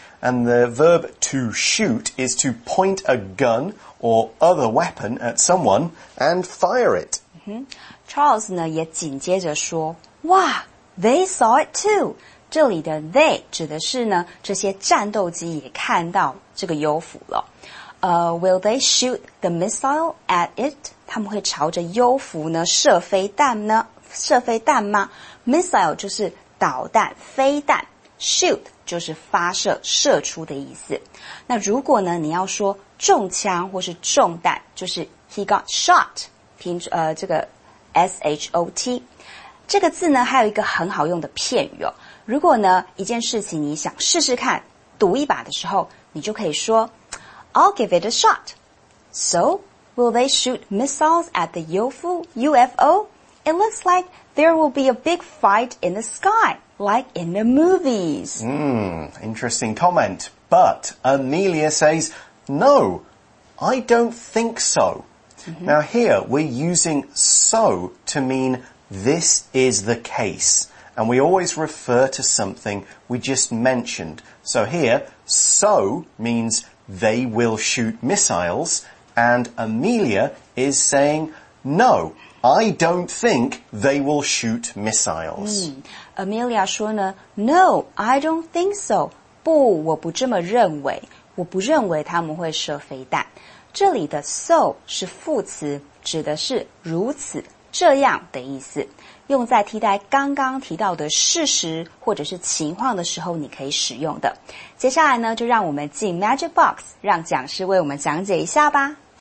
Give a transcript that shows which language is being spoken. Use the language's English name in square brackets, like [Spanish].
[English] And the verb to shoot is to point a gun,or other weapon at someone and fire it.、 [Chinese] Charles 呢也紧接着说哇 [English] they saw it too. [Chinese] 这里的 they 指的是呢这些战斗机也看到这个幽浮了。 [English] Will they shoot the missile at it? [Chinese] 他们会朝着幽浮呢射飞弹呢射飞弹吗 ?Missile 就是导弹飞弹。 Shoot 就是发射射出的意思。那如果呢你要说中枪或是中弹就是 [English] he got shot, [Chinese] 这个 shot。这个字呢还有一个很好用的片语哦。如果呢一件事情你想试试看赌一把的时候你就可以说 [English] I'll give it a shot. So, will they shoot missiles at the UFO? It looks like there will be a big fight in the sky, like in the movies. Interesting comment. But Amelia says,No, I don't think so.、Now here we're using so to mean this is the case. And we always refer to something we just mentioned. So here, so means they will shoot missiles. And Amelia is saying, no, I don't think they will shoot missiles.、 Amelia [Chinese] 说呢 [English] no, I don't think so. [Chinese] 不，我不这么认为。我不认为他们会射飞弹。这里的 so 是副词，指的是如此、这样的意思。用在替代刚刚提到的事实或者是情况的时候，你可以使用的。接下来呢，就让我们进 Magic Box， 让讲师为我们讲解一下吧。